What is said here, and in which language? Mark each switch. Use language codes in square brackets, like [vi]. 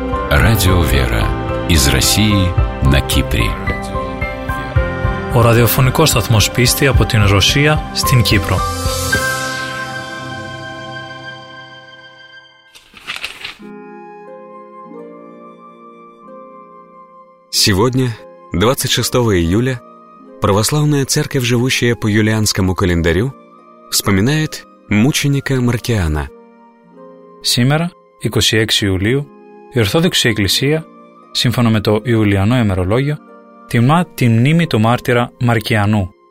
[ru] Радио «Вера» из России на Кипре. [el] Ο ραδιοφωνικός σταθμός πίστη από την Ρωσία στην Κύπρο. [ru] Сегодня, 26 июля, православная церковь, живущая по юлианскому календарю, вспоминает мученика Маркиана. Сегодня, 26 июля, [el] η Ορθόδοξη Εκκλησία, σύμφωνα με το Ιουλιανό ημερολόγιο, τιμά τη μνήμη του μάρτυρα Μαρκιανού.